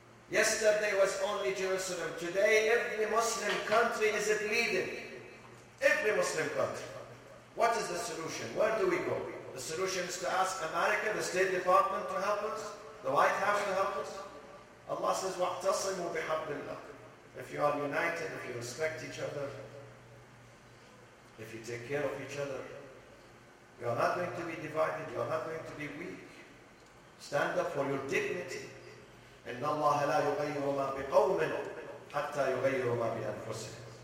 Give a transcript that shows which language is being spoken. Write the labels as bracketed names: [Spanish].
[English] Yesterday was only Jerusalem. Today, every Muslim country is bleeding. Every Muslim country. What is the solution? Where do we go? The solution is to ask America, the State Department, to help us. The White House to help us. Allah says, [Arabic] وَاعْتَصِمُوا بِحَبِّ اللَّهِ. [English] If you are united, if you respect each other, if you take care of each other, you are not going to be divided, you are not going to be weak. Stand up for your dignity. [Arabic] إِنَّ اللَّهَ لَا يُغَيِّرُ مَا بِقَوْمٍ حَتَّى يُغَيِّرُ مَا بِأَنفُسِهِمْ.